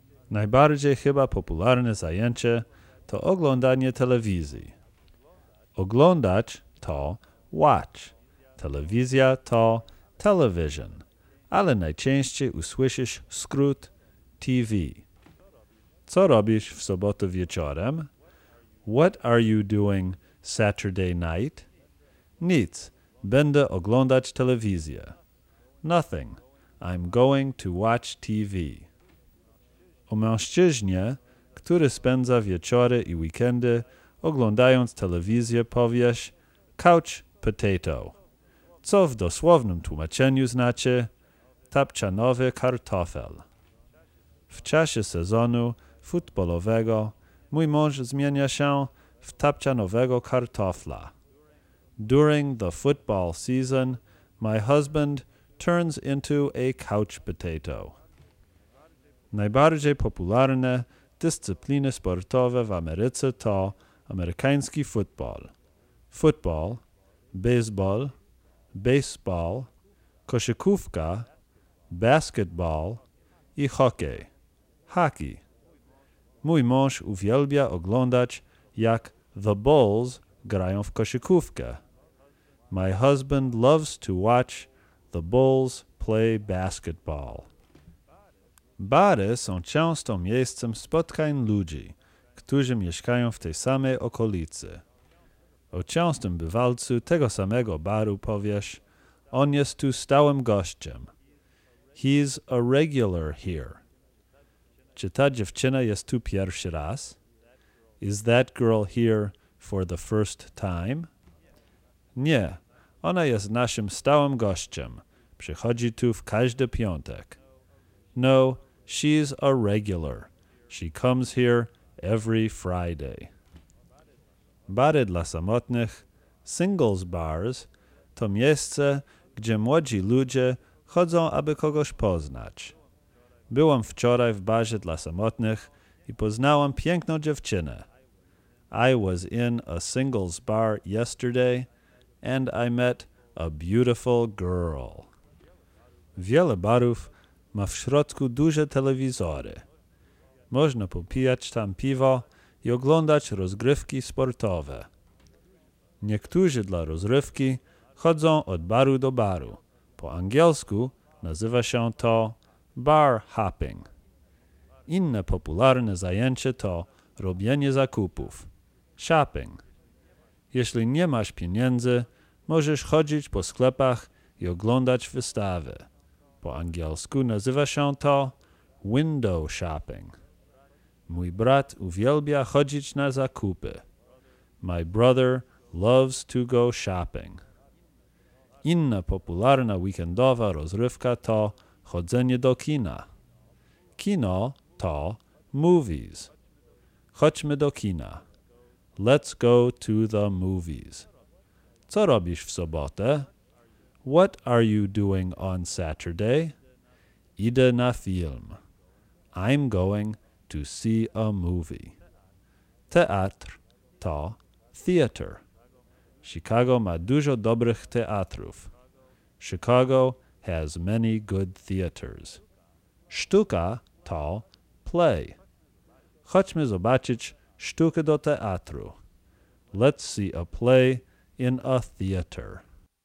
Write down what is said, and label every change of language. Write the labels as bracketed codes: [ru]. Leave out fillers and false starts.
[pl] Najbardziej chyba popularne zajęcie to oglądanie telewizji. Oglądać to watch, telewizja to television, ale najczęściej usłyszysz skrót TV. Co robisz w sobotę wieczorem? [en] What are you doing Saturday night? [pl] Nic, będę oglądać telewizję. [en] Nothing, I'm going to watch TV. [pl] O mężczyźnie, który spędza wieczory i weekendy oglądając telewizję, powiesz couch potato, co w dosłownym tłumaczeniu znaczy tapczanowy kartofel. W czasie sezonu futbolowego mój mąż zmienia się w tapczanowego kartofla. [en] During the football season, my husband turns into a couch potato. [pl] Najbardziej popularne dyscypliny sportowe w Ameryce to amerykański futbol, football, baseball, baseball, koszykówka, basketball i hokej, hockey. Mój mąż uwielbia oglądać, jak the Bulls grają w koszykówkę. [en] My husband loves to watch the Bulls play basketball. [pl] Bary są często miejscem spotkań ludzi, którzy mieszkają w tej samej okolicy. O częstym bywalcu tego samego baru powiesz, on jest tu stałym gościem. [en] He's a regular here. [pl] Czy ta dziewczyna jest tu pierwszy raz? [en] Is that girl here for the first time? [pl] Nie, ona jest naszym stałym gościem. Przychodzi tu w każdy piątek. [en] No, she's a regular. She comes here every Friday. [pl] Bary dla samotnych, singles bars, to miejsce, gdzie młodzi ludzie chodzą, aby kogoś poznać. Byłam wczoraj w barze dla samotnych i poznałam piękną dziewczynę. [en] I was in a singles bar yesterday and I met a beautiful girl. [pl] Wiele barów ma w środku duże telewizory. Można popijać tam piwo i oglądać rozgrywki sportowe. Niektórzy dla rozrywki chodzą od baru do baru. Po angielsku nazywa się to bar hopping. Inne popularne zajęcie to robienie zakupów, shopping. Jeśli nie masz pieniędzy, możesz chodzić po sklepach i oglądać wystawy. Po angielsku nazywa się to window shopping. Mój brat uwielbia chodzić na zakupy. [en] My brother loves to go shopping. [pl] Inna popularna weekendowa rozrywka to chodzenie do kina. Kino to movies. Chodźmy do kina. [en] Let's go to the movies. [pl] Co robisz w sobotę? [en] What are you doing on Saturday? [pl] Idę na film. [en] I'm going to see a movie. [pl] Teatr to theater. Chicago ma dużo dobrych teatrów. [en] Chicago has many good theaters. [pl] Sztuka to play. Chodźmy zobaczyć sztukę do teatru. [en] Let's see a play in a theater.